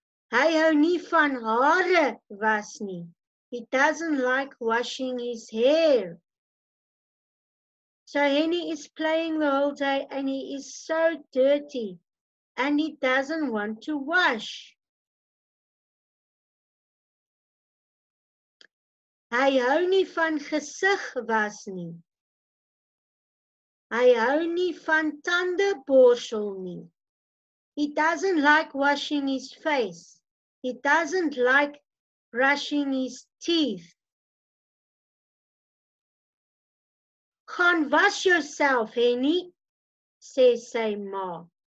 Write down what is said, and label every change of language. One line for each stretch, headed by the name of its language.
Afrikaans: Hy hou nie van hare was nie.
English: He doesn't like washing his hair. So Henny is playing the whole day and he is so dirty and he doesn't want to wash.
Afrikaans: Hy hou nie van gesig was nie. Hy hou nie van tande borsel nie.
English: He doesn't like washing his face. He doesn't like brushing his teeth.
Afrikaans: Gaan was yourself, Henny, says sy ma.